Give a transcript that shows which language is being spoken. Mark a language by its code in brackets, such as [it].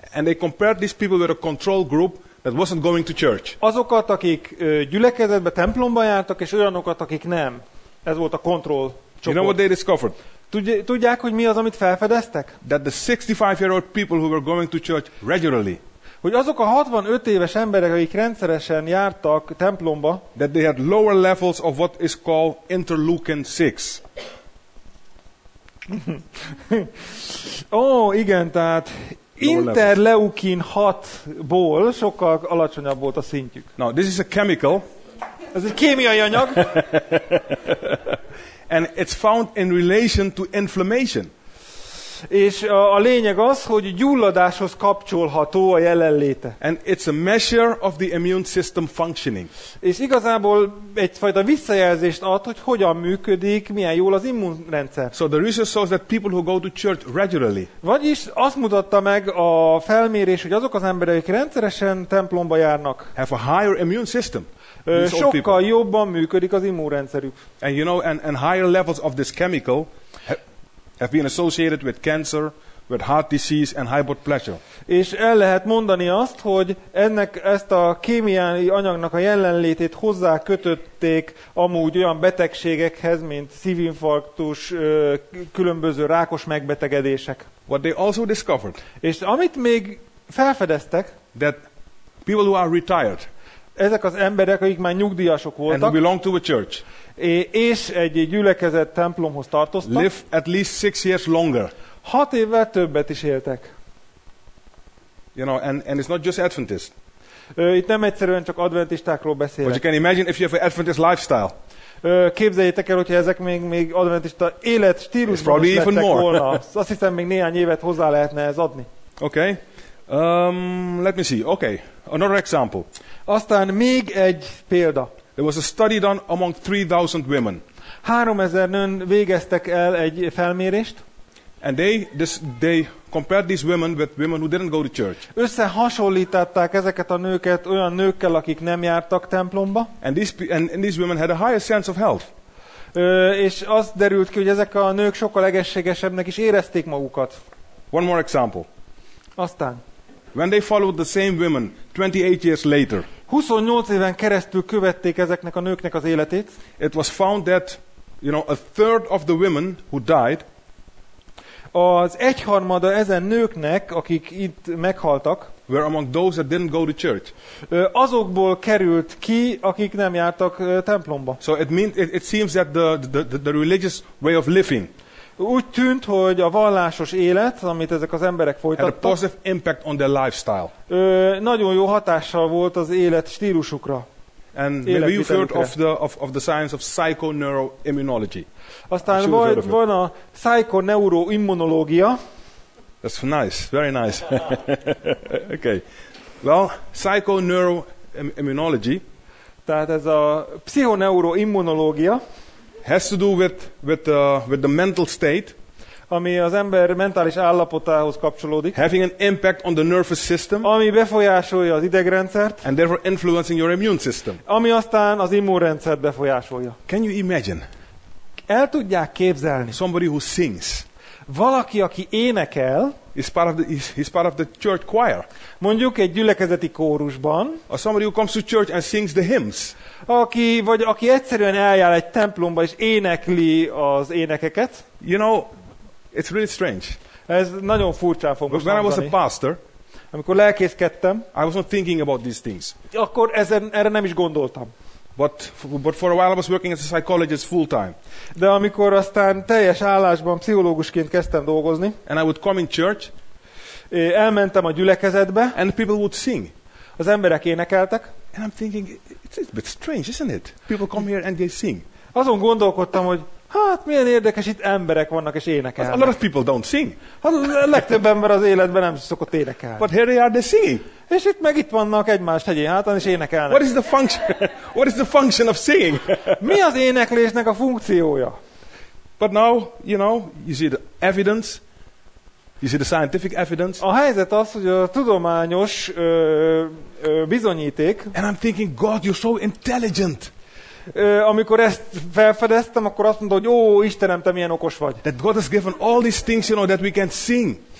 [en] And they compared these people with a control group that wasn't going to church. [hu] Azokat, akik gyülekezetbe, templomba jártak, és olyanokat, akik nem. Ez volt a control csoport. [en] You know what they discovered? [hu] Tudják, hogy mi az, amit felfedeztek? [en] That the 65-year-old people who were going to church regularly. [hu] Hogy azok a 65 éves emberek, akik rendszeresen jártak templomba, [en] that they had lower levels of what is called interleukin 6. [hu] Ó, igen, tehát interleukin 6-ból sokkal alacsonyabb volt a szintjük. [en] Now, this is a chemical. [hu] Ez egy kémiai anyag. [en] And it's found in relation to inflammation. [hu] És a lényeg az, hogy gyulladáshoz kapcsolható a jelenléte. [en] And it's a measure of the immune system functioning. [hu] És igazából egyfajta visszajelzést ad, hogy hogyan működik, milyen jól az immunrendszer. [en] So the research shows that people who go to church regularly. [hu] Vagyis azt mutatta meg a felmérés, hogy azok az emberek, akik rendszeresen templomba járnak, [en] have a higher immune system. [hu] Sokkal jobban működik az immunrendszerük. [en] And you know, and higher levels of this chemical have been associated with cancer, with heart disease and high blood pressure. [hu] És el lehet mondani azt, hogy ennek ezt a kémiai anyagnak a jelenlétét hozzá kötötték amúgy olyan betegségekhez, mint szívinfarktus, különböző rákos megbetegedések. [en] What they also discovered. [hu] És amit még felfedeztek, [en] that people who are retired. [hu] Ezek az emberek, akik már nyugdíjasok voltak. [en] And belong to a church. [hu] És egy gyülekezet templomhoz tartoztak. [en] Live at least 6 years longer. [hu] 6 évvel többet is éltek. [en] You know, and it's not just Adventists. [hu] Itt nem egyszerűen csak adventistákról beszélek. [en] But you can imagine if you have an Adventist lifestyle. [hu] Képzeljétek el, hogyha ezek még adventista életstílusban is lettek volna. Azt hiszem, még néhány évet hozzá lehetne ez adni. [en] Okay. Let me see. Okay. Another example. [hu] Aztán még egy példa. [en] There was a study done among 3000 women. [hu] 3000 nőn végeztek el egy felmérést. [en] And they compared these women with women who didn't go to church. [hu] Összehasonlították ezeket a nőket olyan nőkkel, akik nem jártak templomba. [en] And these women had a higher sense of health. [hu] És az derült ki, hogy ezek a nők sokkal egészségesebbnek is érezték magukat. [en] One more example. [hu] Aztán [en] when they followed the same women 28 years later. [hu] 28 éven keresztül követték ezeknek a nőknek az életét. [en] It was found that, you know, a third of the women who died. [hu] Az egyharmada ezen nőknek, akik itt meghaltak, [en] were among those that didn't go to church. [hu] Azokból került ki, akik nem jártak templomba. [en] So it seems that the religious way of living. [hu] Úgy tűnt, hogy a vallásos élet, amit ezek az emberek folytattak, [en] had a positive impact on their lifestyle. [hu] Nagyon jó hatással volt az élet stílusukra. [en] And maybe you've heard of the science of psychoneuroimmunology. [hu] Aztán van a psychoneuroimmunológia. [en] That's nice, very nice. Okay. Well, psychoneuroimmunology. [hu] Tehát ez a pszichoneuroimmunológia. [en] Has to do with the mental state, [hu] ami az ember mentális állapotához kapcsolódik, [en] having an impact on the nervous system, [hu] ami befolyásolja az idegrendszert, [en] and therefore influencing your immune system, [hu] ami aztán az immunrendszert befolyásolja. [en] Can you imagine? [hu] El tudják képzelni? [en] Somebody who sings, [hu] valaki, aki énekel, [en] is part of the church choir, [hu] mondjuk egy gyülekezeti kórusban, [en] or somebody who comes to church and sings the hymns, [hu] aki egyszerűen eljár egy templomba és énekli az énekeket. [en] You know, it's really strange. [hu] Ez nagyon furcsán fog most hangzani. [en] When I was a pastor, [hu] amikor lelkészkedtem, [en] I was not thinking about these things. [hu] Akkor ezen, erre nem is gondoltam. [en] But for a while I was working as a psychologist full time. [hu] De amikor aztán teljes állásban pszichológusként kezdtem dolgozni, [en] and I would come in church, [hu] elmentem a gyülekezetbe, [en] and people would sing. [hu] Az emberek énekeltek. [en] And I'm thinking, it's a bit strange, isn't it? People come here and they sing. [hu] Azon gondolkodtam, hogy hát milyen érdekes, itt emberek vannak és énekelnek. [en] A lot of people don't sing. [hu] Hát a legtöbb ember az életben nem szokott énekelni. [en] But here they are, they sing. [hu] És itt meg itt vannak egymást hegyén hátán és énekelnek. [en] What is the function of singing? [hu] Mi az éneklésnek a funkciója? [en] But now, you know, you see the evidence. You see the scientific evidence. [hu] A helyzet az, hogy a tudományos bizonyíték. [en] And I'm thinking, God, you're so intelligent. [hu] Amikor ezt felfedeztem, akkor azt mondta, hogy ó, Istenem, te milyen okos vagy. [en] That God has given all these things, you know, that we can sing.